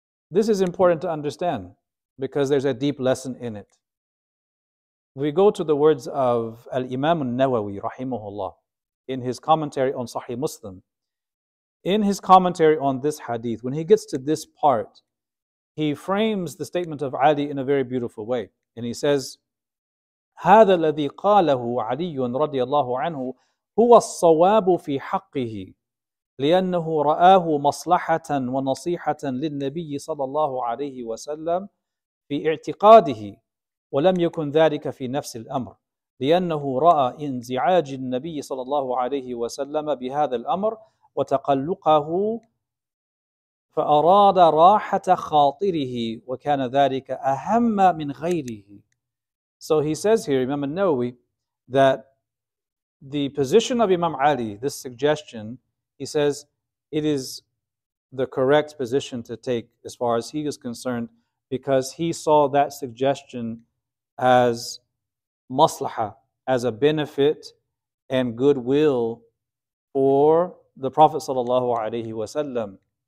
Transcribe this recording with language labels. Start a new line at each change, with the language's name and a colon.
English: This is important to understand because there's a deep lesson in it. We go to the words of Al-Imam al-Nawawi, rahimahullah, in his commentary on Sahih Muslim. In his commentary on this hadith, when he gets to this part, he frames the statement of Ali in a very beautiful way. And he says,
Arabic: هذا الذي قاله علي رضي الله عنه هو الصواب في حقه لأنه رآه مصلحة ونصيحة للنبي صلى الله عليه وسلم في اعتقاده ولم يكن ذلك في نفس الأمر لأنه رأى انزعاج النبي صلى الله عليه وسلم بهذا الأمر وتقلقه فأراد راحة خاطره وكان ذلك أهم من غيره.
English: So he says here, Imam al-Nawawi, that the position of Imam Ali, this suggestion, he says, it is the correct position to take as far as he is concerned, because he saw that suggestion as maslaha, as a benefit and goodwill for the Prophet sallallahu alayhi wa sallam.